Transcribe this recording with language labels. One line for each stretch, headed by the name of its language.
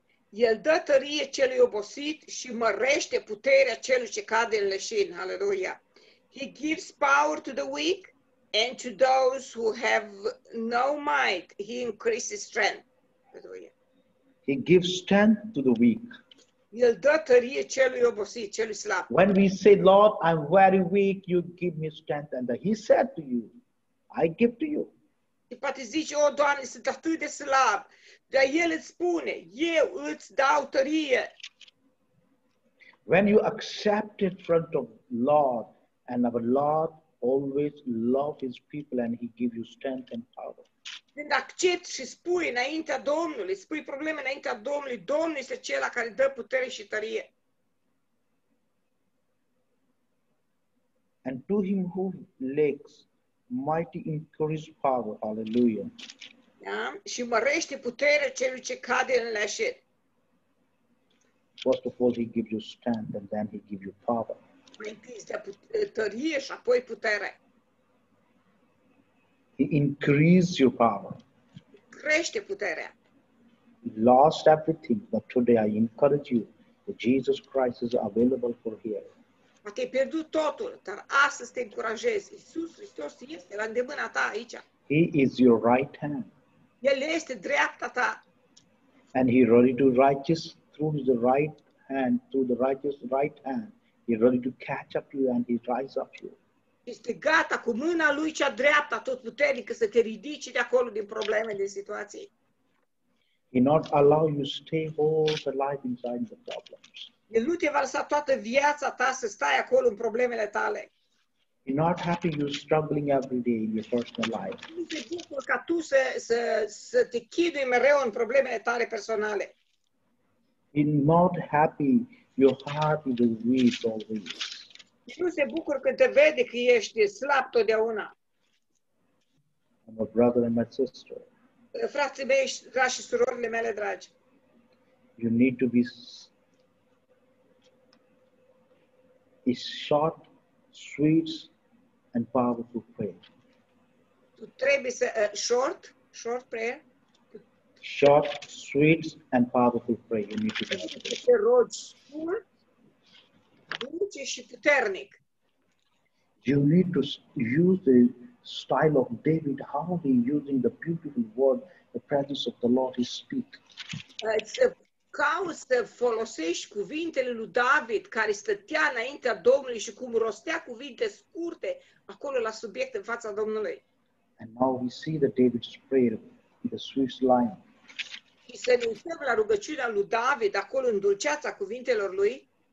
Romanian: El dă tărie celui obosit și mărește puterea celui ce cade în leșin.
English: Hallelujah. He gives power to the weak and to those who have no might, he increases strength. Hallelujah. He gives strength to the weak.
Romanian: El dă tărie celui obosit, celui slab.
English: When we say, Lord, I'm very weak, you give me strength. And he said to you, I give to you.
Romanian: Și poate zice, o, Doamne, sunt atât de slab. Dar El îți spune, eu îți dau tărie.
English: When you accept in front of Lord, and our Lord always loves His people and He gives you strength and power.
Romanian: Când accept și spui înaintea Domnului, spui probleme înaintea Domnului, Domnul este Cel care dă putere și tărie.
English: And to Him who lacks mighty increase power, hallelujah.
Romanian: Da? Și mărește puterea celui ce cade în leșet.
English: First of all, He gives you strength and then He gives you power.
Romanian: Mai întâi este tărie și apoi putere.
English: He increases your power.
Romanian: Crește puterea.
English: You lost everything, but today I encourage you that Jesus Christ is available for here.
Romanian: Poate ai pierdut totul, dar astăzi te încurajez. Iisus Hristos este la îndemâna ta aici.
English: He is your right hand.
Romanian: El este dreapta ta.
English: And he ready to righteous through the right hand, through the righteous right hand. He ready to catch up you and he rise up you.
Romanian: Este gata cu mâna lui cea dreaptă, tot puternică, să te ridici de acolo, din probleme, din situații.
English: He not allow you stay all the life inside the problems.
Romanian: El nu te va lăsa toată viața ta să stai acolo în problemele tale.
English: You're not happy, you're struggling every day in your personal life.
Romanian: Ca tu să te chinui mereu în problemele tale personale.
English: You're not happy, your heart is weak always.
Romanian: Nu se bucur când te vede că ești slab totdeauna.
English: I'm a brother and my sister.
Romanian: Frații mei, dragi și surorile mele, dragi.
English: You need to be a short, sweet, and powerful prayer.
Romanian: Tu trebuie să
English: short prayer. Short, sweet, and powerful prayer. You need to be.
Romanian: Te rogi scurt, dulce și puternic.
English: You need to use the style of David, how he using the beautiful word, the presence of the Lord, he speak.
Romanian: Cauți să folosești cuvintele lui David care stătea înaintea Domnului și cum rostea cuvinte scurte acolo la subiect în fața Domnului.
English: And now we see that David's prayer in the sweet line.
Romanian: Și să ne uităm la rugăciunea lui David acolo în dulceața cuvintelor lui.